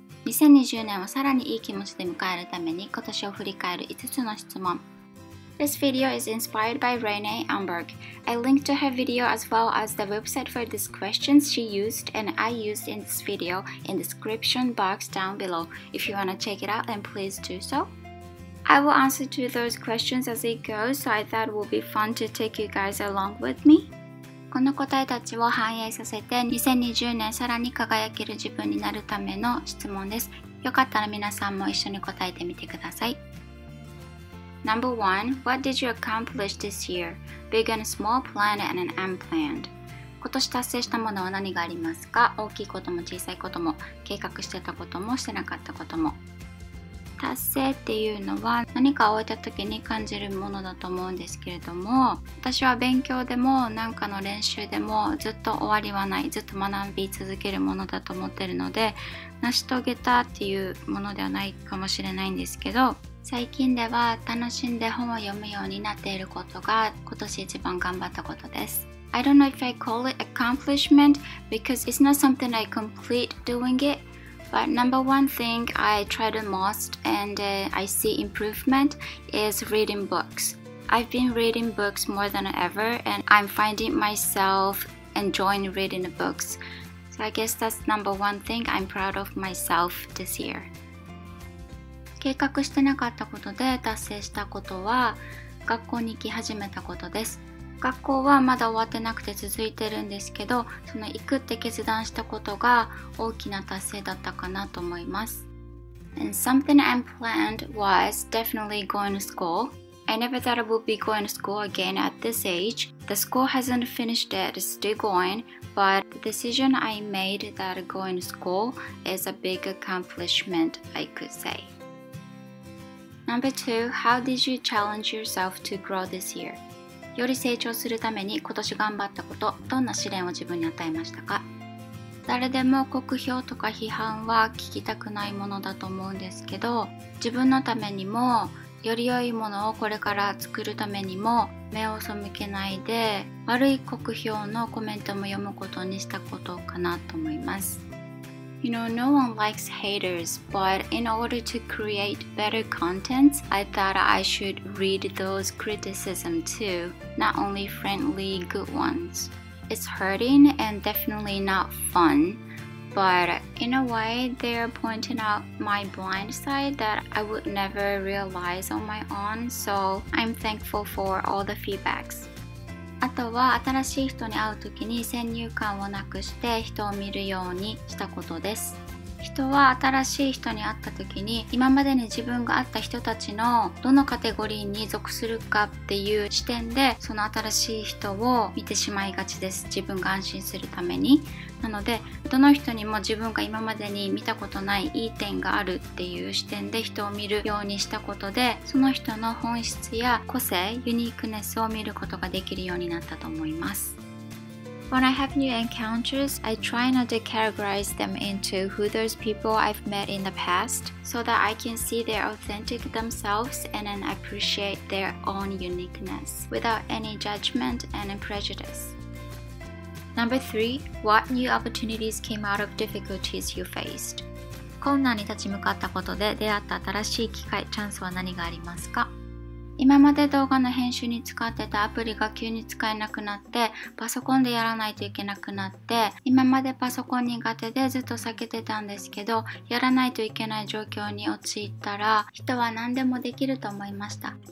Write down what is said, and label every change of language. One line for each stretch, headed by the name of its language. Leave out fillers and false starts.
Japanese: 2020年をさらにいい気持ちで迎えるために今年を振り返る5つの質問。
English: This video is inspired by Renee Amberg. I linked to her video as well as the website for these questions she used and I used in this video in the description box down below. If you want to check it out, then please do so. I will answer to those questions as it goes, so I thought it would be fun to take you guys along with me.
Japanese: この答えたちを反映させて2020年さらに輝ける自分になるための質問です。よかったら皆さんも一緒に答えてみてください。
English: Number one, what did you accomplish this year? Big and small plan and an unplanned.
Japanese: 今年達成したものは何がありますか？大きいことも小さいことも、計画してたこともしてなかったことも。達成っていうのは何かを終えた時に感じるものだと思うんですけれども、私は勉強でも何かの練習でもずっと終わりはない、ずっと学び続けるものだと思ってるので、成し遂げたっていうものではないかもしれないんですけど、最近では楽しんで本を読むようになっていることが今年一番頑張ったことです。
English: I don't know if I call it accomplishment because it's not something I complete doing itBut number one thing I try the most and I see improvement is reading books. I've been reading books more than ever and I'm finding myself enjoying reading the books. So I guess that's number one thing I'm proud of myself this year.
Japanese: 計画してなかったことで達成したことは学校に行き始めたことです。学校はまだ終わってなくて続いてるんですけど、その行くって決断したことが大きな達成だったかなと思います。
English: And something unplanned was definitely going to school. I never thought I would be going to school again at this age. The school hasn't finished yet, it's still going, but the decision I made that going to school is a big accomplishment, I could say. Number two, how did you challenge yourself to grow this year?
Japanese: より成長するために今年頑張ったこと、どんな試練を自分に与えましたか？誰でも酷評とか批判は聞きたくないものだと思うんですけど、自分のためにもより良いものをこれから作るためにも目を背けないで、悪い酷評のコメントも読むことにしたことかなと思います。
English: You know, no one likes haters, but in order to create better contents, I thought I should read those criticism too, not only friendly good ones. It's hurting and definitely not fun, but in a way, they're pointing out my blind side that I would never realize on my own, so I'm thankful for all the feedbacks.
Japanese: あとは新しい人に会うときに先入観をなくして人を見るようにしたことです。人は新しい人に会ったときに今までに自分が会った人たちのどのカテゴリーに属するかっていう視点でその新しい人を見てしまいがちです。自分が安心するために。なのでどの人にも自分が今までに見たことないいい点があるっていう視点で人を見るようにしたことで、その人の本質や個性、ユニークネスを見ることができるようになったと思います。
English: When I have new encounters, I try not to categorize them into who those people I've met in the past, so that I can see their authentic themselves and then appreciate their own uniqueness without any judgment and prejudice. Number three, what new opportunities came out of difficulties you faced?
Japanese: 困難に立ち向かったことで出会った新しい機会、チャンスは何がありますか？今まで動画の編集に使ってたアプリが急に使えなくなって、パソコンでやらないといけなくなって、今までパソコン苦手でずっと避けてたんですけど、やらないといけない状況に陥ったら、人は何でもできると思いました。